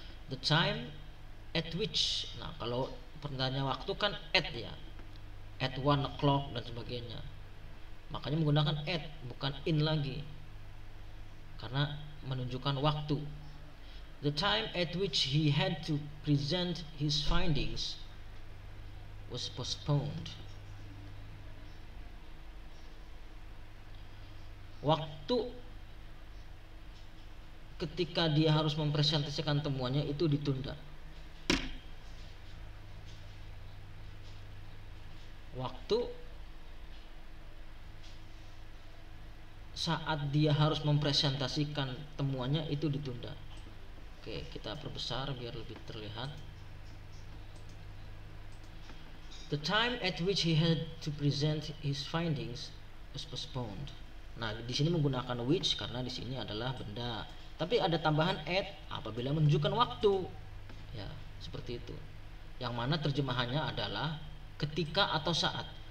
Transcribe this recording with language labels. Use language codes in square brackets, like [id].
[en] The time at which, [id] nah kalau pertanyaan waktu kan at ya, [en] at 1 o'clock [id] dan sebagainya, makanya menggunakan at bukan in lagi, karena menunjukkan waktu. [en] The time at which he had to present his findings was postponed. [id] Waktu ketika dia harus mempresentasikan temuannya itu ditunda. Waktu saat dia harus mempresentasikan temuannya itu ditunda. Oke, kita perbesar biar lebih terlihat. [en] The time at which he had to present his findings was postponed. [id] Nah, di sini menggunakan which karena di sini adalah benda. Tapi ada tambahan at apabila menunjukkan waktu. Ya, seperti itu. Yang mana terjemahannya adalah ketika atau saat.